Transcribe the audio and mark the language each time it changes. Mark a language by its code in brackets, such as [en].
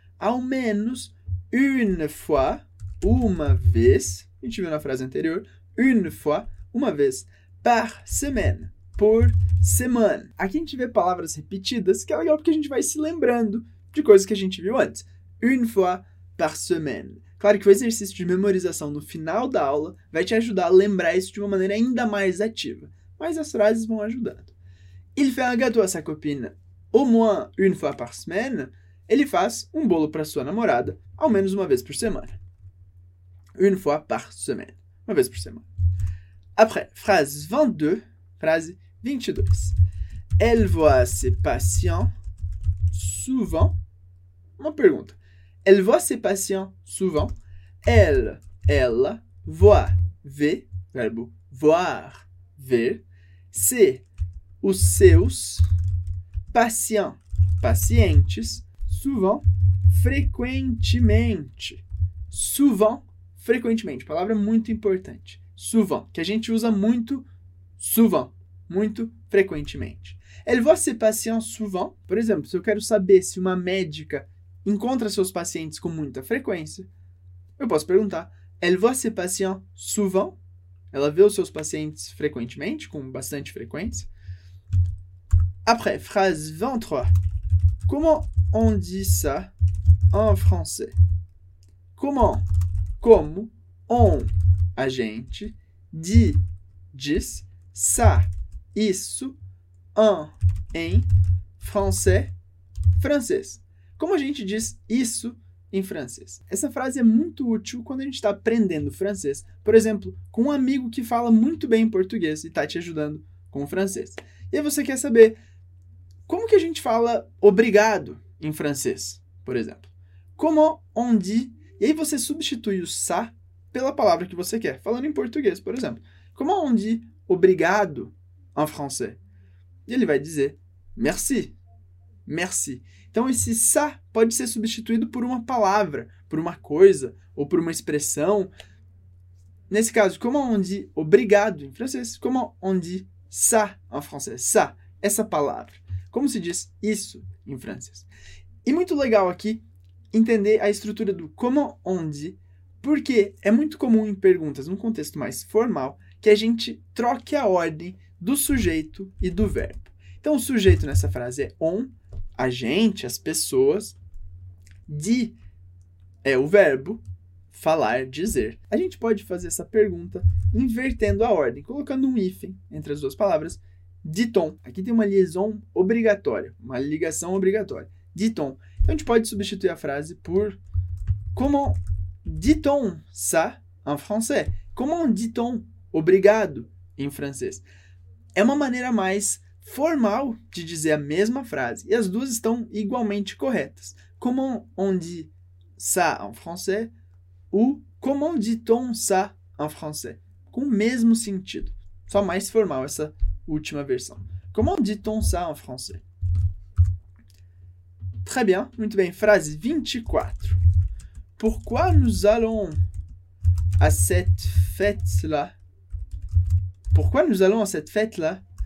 [pt] Ao menos, [fr] une fois, [pt] uma vez, a gente viu na frase anterior, une fois, uma vez, [fr] par semaine, [pt] por semana. Aqui a gente vê palavras repetidas, que é legal porque a gente vai se lembrando de coisas que a gente viu antes. [fr] Une fois par semaine. [pt] Claro que o exercício de memorização no final da aula vai te ajudar a lembrar isso de uma maneira ainda mais ativa. Mas as frases vão ajudando. [fr] Il fait un gâteau à sa copine au moins une fois par semaine. [pt] Ele faz um bolo para sua namorada ao menos uma vez por semana. [fr] Une fois par semaine. [pt] Uma vez por semana. [fr] Après, phrase 22, frase 22. Elle voit ses patients souvent. [pt] Uma pergunta. [fr] Elle voit ses patients souvent. [pt] Ela voit, vê, verbo voir, ver, ses, os seus patients, pacientes, souvent, frequentemente. Souvent, frequentemente. Palavra muito importante. Souvent, que a gente usa muito, souvent, muito frequentemente. [fr] Elle voit ses patients souvent. [pt] Por exemplo, se eu quero saber se uma médica encontra seus pacientes com muita frequência, eu posso perguntar: [fr] Elle voit ses patients souvent? [pt] Ela vê os seus pacientes frequentemente, com bastante frequência. [fr] Après, phrase 23. Comment on dit ça en français? [pt] Comment? Como? On? A gente? Dit? Diz? Ça? Isso? En? Em? Français? Francês. Como a gente diz isso em francês? Essa frase é muito útil quando a gente está aprendendo francês. Por exemplo, com um amigo que fala muito bem português e está te ajudando com o francês. E aí você quer saber como que a gente fala obrigado em francês, por exemplo. [fr] Comment on dit? [pt] E aí você substitui o ça pela palavra que você quer. Falando em português, por exemplo. [fr] Comment on dit obrigado en français? [pt] E ele vai dizer [fr] Merci. Merci. [pt] Então, esse sa pode ser substituído por uma palavra, por uma coisa ou por uma expressão. Nesse caso, [fr] comment on dit [pt] obrigado em francês? [fr] Comment on dit ça en français? [pt] Ça, essa palavra. Como se diz isso em francês? E muito legal aqui entender a estrutura do [fr] comment on dit, [pt] porque é muito comum em perguntas, num contexto mais formal, que a gente troque a ordem do sujeito e do verbo. Então, o sujeito nessa frase é on, a gente, as pessoas. Dit é o verbo. Falar, dizer. A gente pode fazer essa pergunta invertendo a ordem, colocando um hífen entre as duas palavras. Diton. Aqui tem uma liaison obrigatória, uma ligação obrigatória. Diton. Então a gente pode substituir a frase por [fr] Comment dit-on ça en français? Comment dit-on obrigado [pt] em francês? É uma maneira mais formal de dizer a mesma frase, e as duas estão igualmente corretas. [fr] Comment on dit ça en français? Ou comment dit-on ça en français? [pt] Com o mesmo sentido. Só mais formal essa última versão. [fr] Comment dit-on ça en français? Très bien. [pt] Muito bem. Frase 24. [fr] Pourquoi nous allons à cette fête-là? Pourquoi nous allons à cette fête-là?